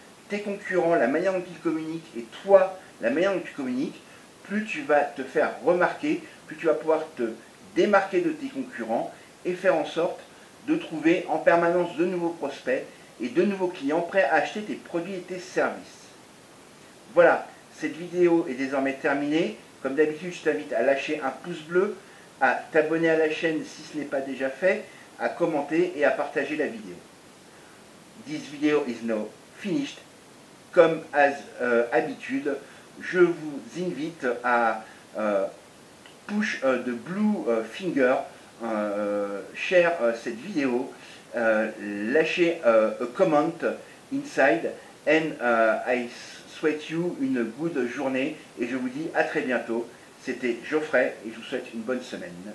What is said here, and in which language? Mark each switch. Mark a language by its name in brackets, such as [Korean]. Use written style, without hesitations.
[French] tes concurrents, la manière dont ils communiquent, et toi, la manière dont tu communiques, plus tu vas te faire remarquer, plus tu vas pouvoir te démarquer de tes concurrents et faire en sorte de trouver en permanence de nouveaux prospects et de nouveaux clients prêts à acheter tes produits et tes services. Voilà, cette vidéo est désormais terminée. Comme d'habitude, je t'invite à lâcher un pouce bleu, à t'abonner à la chaîne si ce n'est pas déjà fait, à commenter et à partager la vidéo. [English] This video is now finished. [French] Comme as habitude, je vous invite à [English] push the blue finger, share [French] cette vidéo, lâchez [English] a comment inside, and I [French] souhaite you une [English] good [French] journée, et je vous dis à très bientôt. C'était Geoffrey, et je vous souhaite une bonne semaine.